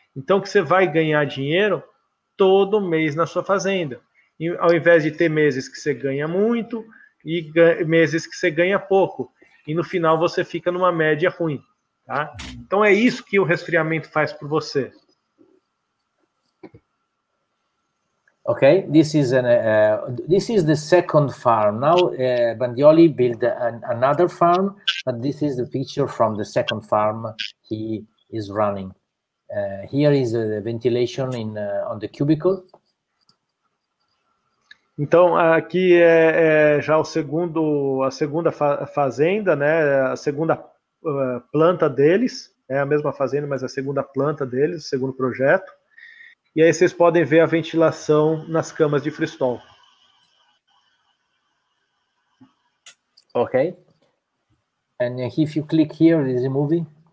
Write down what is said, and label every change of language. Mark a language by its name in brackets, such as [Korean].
[Portuguese] Então, que você vai ganhar dinheiro todo mês na sua fazenda. E, ao invés de ter meses que você ganha muito e meses que você ganha pouco. E no final você fica numa média ruim. Tá? Então é isso que o resfriamento faz por você. [English] Ok, this is the second farm. Now Bandioli built another farm, but this is the picture from the second farm he is running. Here is the ventilation on the cubicle. [Portuguese] Então, aqui é já a segunda fazenda, né? A segunda planta deles. É a mesma fazenda, mas é a segunda planta deles, o segundo projeto. E aí vocês podem ver a ventilação nas camas de Freestall. [English] Okay. And if you click here, it is moving.